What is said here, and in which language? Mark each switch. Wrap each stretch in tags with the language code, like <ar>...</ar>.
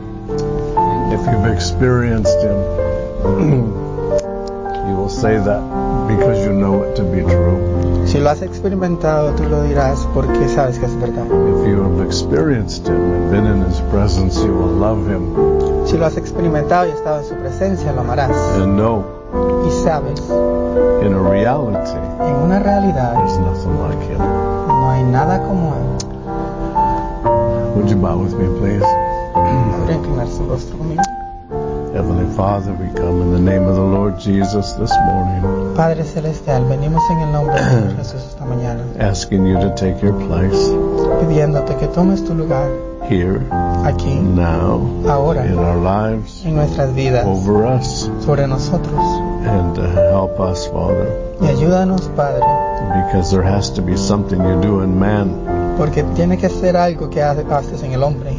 <en>If you've experienced him, you will say that because you know it to be true.</en> <es>Si lo has experimentado, tú lo dirás porque sabes que es verdad.</es> <en>If you have experienced him and been in his presence, you will love him.</en> <es>Si lo has experimentado y estado en su presencia, lo amarás.</es> <en>And know.</en> <es>Y sabes.</es> <en>In a reality.</en> <es>En una realidad.</es> <en>There's nothing like him.</en> <es>No hay nada como él.</es> <en>Would you bow with me, please?</en> <es>¿Podría inclinar su rostro conmigo?</es> <en>Heavenly Father, we come in the name of the Lord Jesus this morning.</en> <es>Padre celestial, venimos en el nombre de Señor Jesús esta mañana.</es> <en>Asking you to take your place.</en> <es>Pidiéndote que tomes tu lugar.</es> <en>Here.</en> <es>Aquí.</es> <en>Now.</en> <es>Ahora.</es> <en>In our lives.</en> <es>En nuestras vidas.</es> <en>Over us.</en> <es>Sobre nosotros.</es> <en>And help us, Father.</en> <es>Y ayúdanos, Padre.</es> <en>Because there has to be something you do in man.</en> <es>Porque tiene que ser algo que haces en el hombre.</es>